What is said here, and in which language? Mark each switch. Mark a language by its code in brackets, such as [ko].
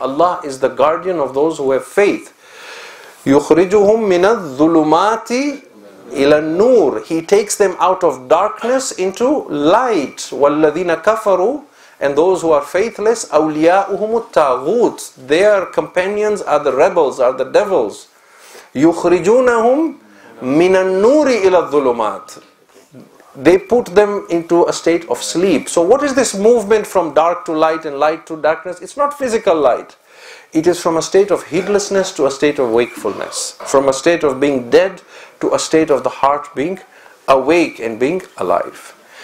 [en] Allah is the guardian of those who have faith. [ar] Yukhrijuhum minadh dhulumati ila Noor. [en] He takes them out of darkness into light. [ar] Walladina kafaru, [en] and those who are faithless, [ar] awliya'uhum at-taghut, [en] their companions are the rebels, are the devils. [ar] Yukhrijunahum مِنَ النُّورِ إِلَى الظُّلُمَاتِ. [en] They put them into a state of sleep. So what is this movement from dark to light and light to darkness? It's not physical light. It is from a state of heedlessness to a state of wakefulness. From a state of being dead to a state of the heart being awake and being alive.